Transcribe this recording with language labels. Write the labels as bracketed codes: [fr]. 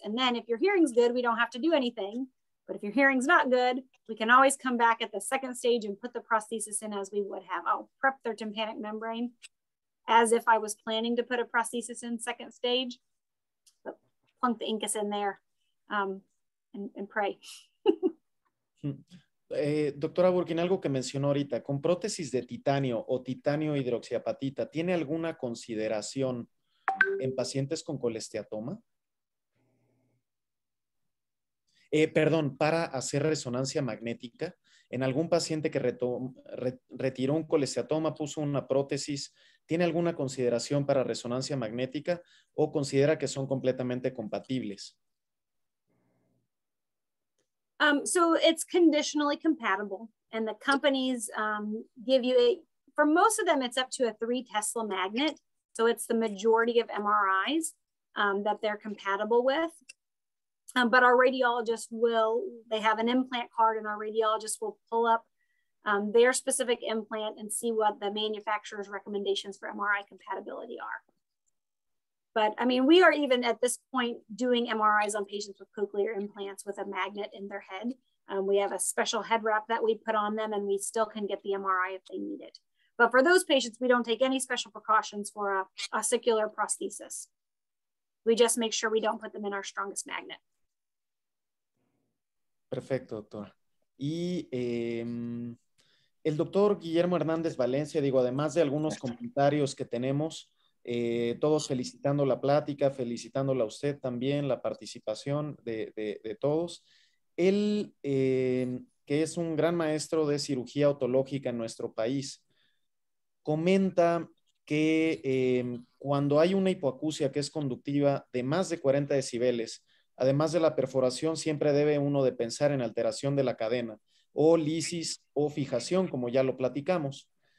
[en] And then if your hearing's good, we don't have to do anything. But if your hearing's not good, we can always come back at the second stage and put the prosthesis in as we would have. I'll prep their tympanic membrane as if I was planning to put a prosthesis in second stage, but plunk the incus in there and pray. [es] Doctora Burkin, algo que mencionó ahorita, con prótesis de titanio o titanio hidroxiapatita, ¿tiene alguna consideración en pacientes con colesteatoma? Perdón, para hacer resonancia magnética, en algún paciente que retiró un colesteatoma, puso una prótesis, ¿tiene alguna consideración para resonancia magnética o considera que son completamente compatibles? [en] So it's conditionally compatible, and the companies give you, for most of them, it's up to a 3 Tesla magnet, so it's the majority of MRIs that they're compatible with. But our radiologists will, they have an implant card, and our radiologists will pull up their specific implant and see what the manufacturer's recommendations for MRI compatibility are. But I mean, we are even at this point doing MRIs on patients with cochlear implants with a magnet in their head. We have a special head wrap that we put on them, and we still can get the MRI if they need it. But for those patients, we don't take any special precautions for a osicular prosthesis. We just make sure we don't put them in our strongest magnet. [es] Perfecto, doctora. Y el doctor Guillermo Hernández Valencia, digo, además de algunos comentarios que tenemos, todos felicitando la plática, felicitándola a usted también, la participación de todos. Él, que es un gran maestro de cirugía otológica en nuestro país, comenta que cuando hay una hipoacusia que es conductiva de más de 40 decibeles, además de la perforación, siempre debe uno de pensar en alteración de la cadena o lisis o fijación, como ya lo platicamos.